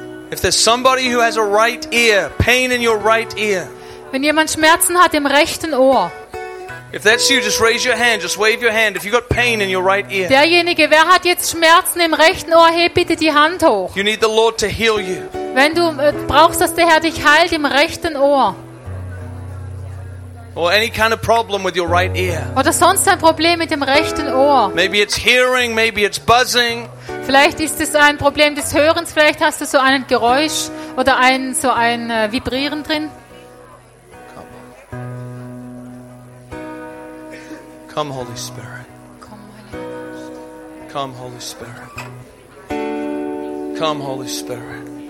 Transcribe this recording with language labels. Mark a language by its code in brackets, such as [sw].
[en] If there's somebody who has a right ear, pain in your right ear. [de] Wenn jemand Schmerzen hat im rechten Ohr. [en] If that's you, just raise your hand, just wave your hand. If you got pain in your right ear. [de] Derjenige, wer hat jetzt Schmerzen im rechten Ohr, heb bitte die Hand hoch. [en] You need the Lord to heal you. [de] Wenn du brauchst, dass der Herr dich heilt im rechten Ohr. [en] Or any kind of problem with your right ear. [de] Oder sonst ein Problem mit dem rechten Ohr. [en] Maybe it's hearing, maybe it's buzzing. [de] Vielleicht ist es ein Problem des Hörens, vielleicht hast du so ein Geräusch oder so ein Vibrieren drin. [en] Come, Holy Spirit. Come, Holy Spirit. Come, Holy Spirit.